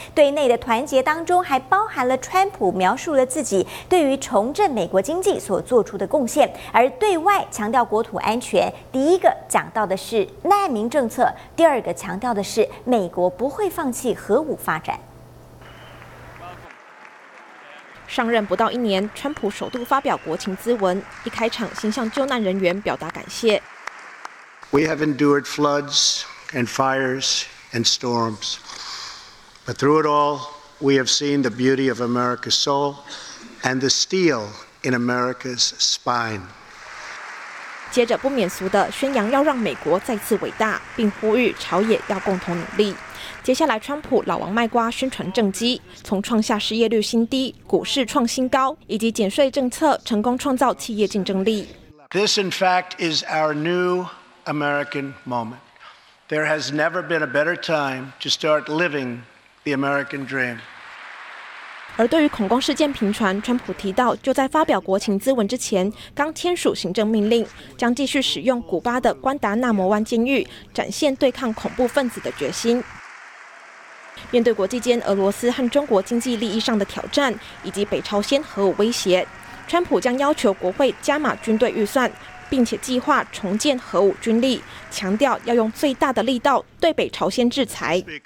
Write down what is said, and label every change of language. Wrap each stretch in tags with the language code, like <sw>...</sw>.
<zh>对内的团结当中还包含了川普描述了自己对于重振美国经济所做出的贡献，而对外强调国土安全，第一个讲到的是难民政策，第二个强调的是美国不会放弃核武发展。上任不到一年，川普首度发表国情咨文，一开场先向救难人员表达感谢。</zh> <en>We have endured floods and fires and storms, but through it all, we have seen the beauty of America's soul and the steel in America's spine.</en> <zh>接着不免俗的宣扬要让美国再次伟大，并呼吁朝野要共同努力。接下来川普老王卖瓜宣传政绩，从创下失业率新低、股市创新高，以及减税政策成功创造企业竞争力。</zh> <en>This in fact is our new American moment. There has never been a better time to start living the American dream.</en> <zh>而对于恐攻事件频传，川普提到就在发表国情咨文之前刚签署行政命令，将继续使用古巴的关达纳摩湾监狱，展现对抗恐怖分子的决心。面对国际间俄罗斯和中国经济利益上的挑战，以及北朝鲜核武威胁，川普将要求国会加码军队预算，并且计划重建核武军力，强调要用最大的力道对北朝鲜制裁。</zh>